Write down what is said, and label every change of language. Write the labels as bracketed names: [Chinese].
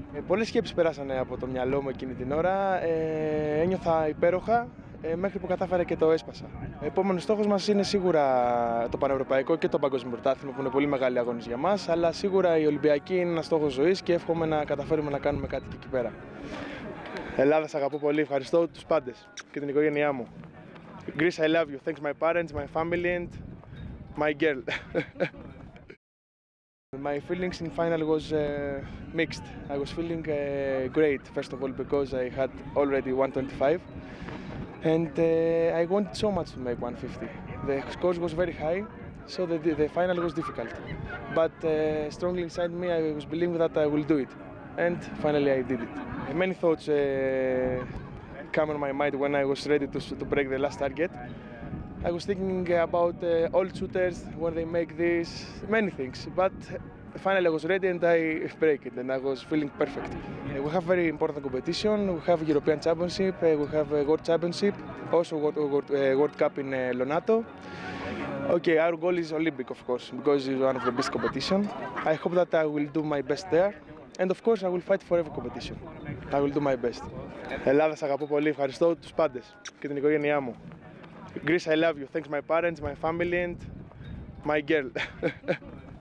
[Greek] Πολλές σκέψεις περάσανε από το μυαλό μου εκείνη την ώρα. Ένιωθα υπέροχα μέχρι που κατάφερα και το έσπασα. Επόμενος στόχος μας είναι σίγουρα το Πανευρωπαϊκό και το Παγκόσμιο Πρωτάθλημα που είναι πολύ μεγάλοι αγώνες για μας. Αλλά σίγουρα η Ολυμπιακή είναι ένα στόχος ζωής και εύχομαι να καταφέρουμε να κάνουμε κάτι και εκεί πέρα. Ελλάδα, σ' αγαπώ πολύ. Ευχαριστώ τους πάντες και την οικογένειά μου. [English] Greece, I love you. Thanks my parents, my family and my girl. My feelings in final was mixed. I was feeling great, first of all, because I had already 125. And I wanted so much to make 150. The score was very high, so the final was difficult. But strongly inside me, I was believing that I will do it. And finally, I did it. Many thoughts came on my mind when I was ready to break the last target. I was thinking about old shooters, when they make this, many things. But finally, I was ready and I break it, and I was feeling perfect. We have very important competition. We have European Championship, we have World Championship, also World Cup in Lonato. Okay, our goal is Olympic, of course, because it's one of the best competition. I hope that I will do my best there. And of course, I will fight for every competition. I will do my best. [Greek] Ελλάδα, σ' αγαπώ πολύ. Ευχαριστώ τους πάντες και την οικογένειά μου. [English] Greece, I love you. Thanks my parents, my family and my girl.